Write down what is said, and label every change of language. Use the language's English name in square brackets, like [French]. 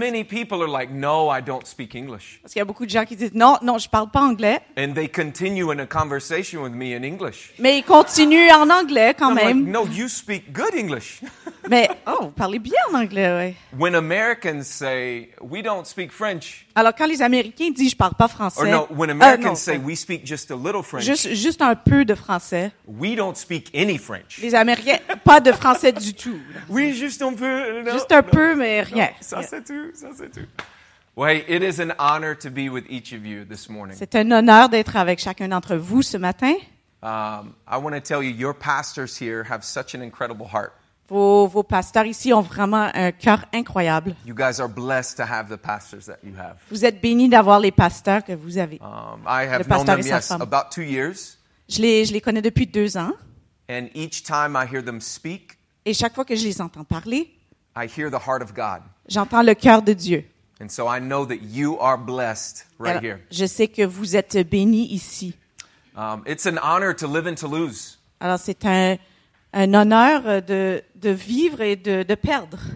[English] Many people are like, no, I don't speak English. [French] Parce qu'il y a beaucoup de gens qui disent non, je parle pas anglais. [English] And they continue in a conversation with me in English. [French] Mais ils continuent en anglais quand même. [English] Like, no, you speak good English. [French] Mais, oh, vous parlez bien en anglais, oui. [English] When Americans say, we don't speak French. [French] Alors, quand les Américains disent, je ne parle pas français. [English] Or no, when Americans say, we speak just a little French. [French] Juste un peu de français. [English] We don't speak any French. [French] Les Américains, pas de français du tout. Oui, juste un peu. No, juste un peu, mais rien. No, ça, c'est tout. [English] Oui, it is an honor to be with each of you this morning. [French] C'est un honneur d'être avec chacun d'entre vous ce matin. [English] I want to tell you, your pastors here have such an incredible heart. [French] Vos pasteurs ici ont vraiment un cœur incroyable. [English] You guys are blessed to have the pastors that you have. [French] Vous êtes bénis d'avoir les pasteurs que vous avez. [English] I have known them, yes, about 2 years. [French] Je les connais depuis 2 ans. [English] And each time I hear them speak, [French] et chaque fois que je les entends parler, [English] I hear the heart of God. [French] J'entends le cœur de Dieu. [English] And so I know that you are blessed right here. [French] Je sais que vous êtes bénis ici. [English] It's an honor to live in Toulouse. [French] Alors c'est un honneur de vivre et de perdre.